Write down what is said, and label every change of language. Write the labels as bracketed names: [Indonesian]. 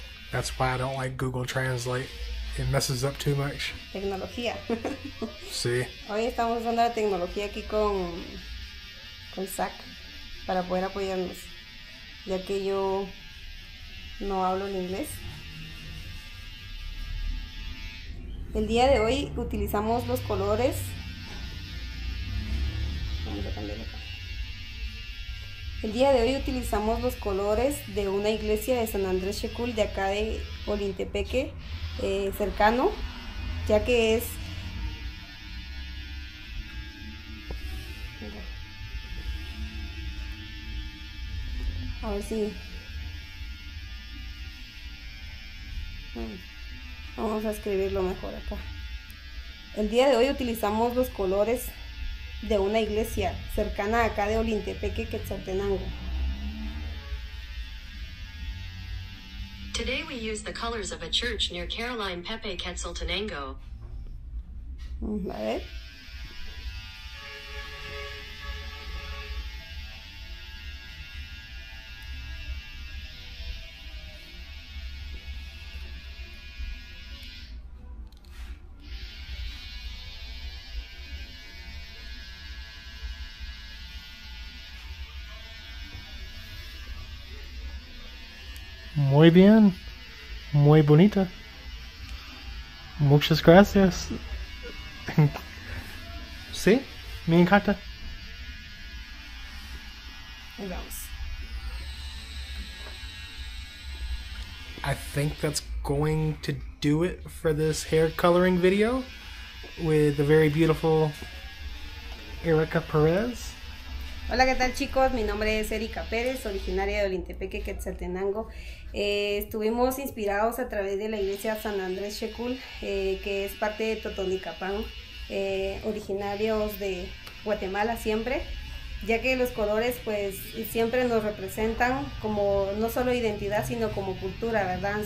[English] That's why I don't like Google Translate. It messes up too much. [Spanish] Tecnología. Sí. Hoy estamos usando la tecnología aquí con Zach para poder apoyarnos, ya que yo no hablo en inglés. El día de hoy utilizamos los colores. Vamos a cambiar acá. El día de hoy utilizamos los colores de una iglesia de San Andrés Xecul de acá de Olintepeque, cercano, ya que es. A ver si. Vamos a escribirlo mejor acá. El día de hoy utilizamos los colores de una iglesia cercana acá de Olintepeque, Quetzaltenango. [English] Today we use the colors of a church near Caroline Pepe, Quetzaltenango. [Spanish] A ver. Muy bien, muy bonita. Muchas gracias. Sí, me encanta. Vamos. [English] I think that's going to do it for this hair coloring video with the very beautiful Erica Perez. [Spanish] Hola, ¿qué tal, chicos? Mi nombre es Erika Pérez, originaria de Olintepeque, Quetzaltenango. Estuvimos inspirados a través de la iglesia San Andrés Xecul, que es parte de Totonicapán, originarios de Guatemala siempre, ya que los colores pues siempre nos representan como no solo identidad, sino como cultura, ¿verdad?